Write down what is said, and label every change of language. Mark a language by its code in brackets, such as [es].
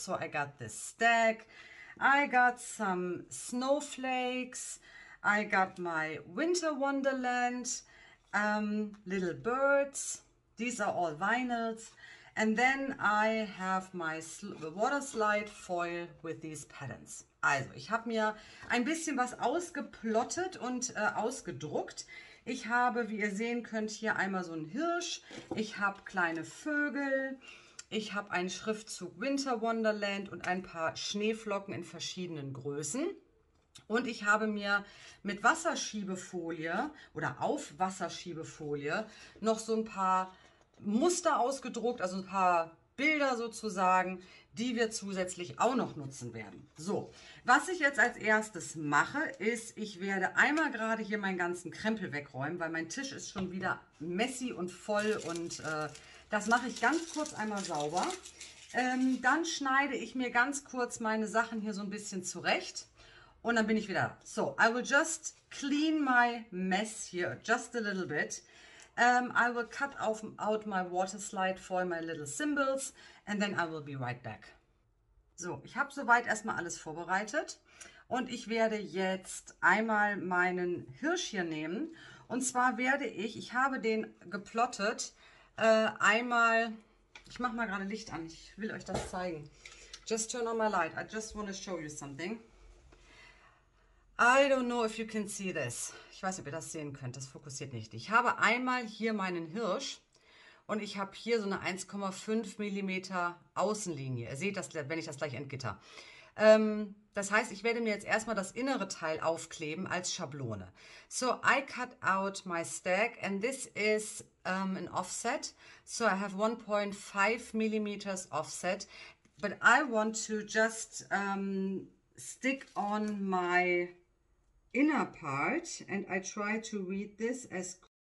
[en] So I got this stack. I got some snowflakes. I got my winter wonderland. Little birds, these are all vinyls, and then I have my water slide foil with these patterns. [de] Also, ich habe mir ein bisschen was ausgeplottet und ausgedruckt. Ich habe, wie ihr sehen könnt, hier einmal so einen Hirsch, ich habe kleine Vögel, ich habe einen Schriftzug Winter Wonderland und ein paar Schneeflocken in verschiedenen Größen. Und ich habe mir mit Wasserschiebefolie oder auf Wasserschiebefolie noch so ein paar Muster ausgedruckt, also ein paar Bilder sozusagen, die wir zusätzlich auch noch nutzen werden. So, was ich jetzt als erstes mache, ist, ich werde einmal gerade hier meinen ganzen Krempel wegräumen, weil mein Tisch ist schon wieder messy und voll und das mache ich ganz kurz einmal sauber. Dann schneide ich mir ganz kurz meine Sachen hier so ein bisschen zurecht. Und dann bin ich wieder. [en] So, I will just clean my mess here, just a little bit. I will cut out my water slide for my little symbols and then I will be right back. [de] So, ich habe soweit erstmal alles vorbereitet und ich werde jetzt einmal meinen Hirsch hier nehmen. Und zwar werde ich habe den geplottet, einmal, ich mache mal gerade Licht an, ich will euch das zeigen. [en] Just turn on my light, I just want to show you something. I don't know if you can see this. [de] Ich weiß nicht, ob ihr das sehen könnt. Das fokussiert nicht. Ich habe einmal hier meinen Hirsch und ich habe hier so eine 1,5 mm Außenlinie. Ihr seht das, wenn ich das gleich entgitter. Das heißt, ich werde mir jetzt erstmal das innere Teil aufkleben als Schablone. [en] So, I cut out my stack and this is an offset. So, I have 1,5 mm offset. But I want to just stick on my inner part and I try to read this as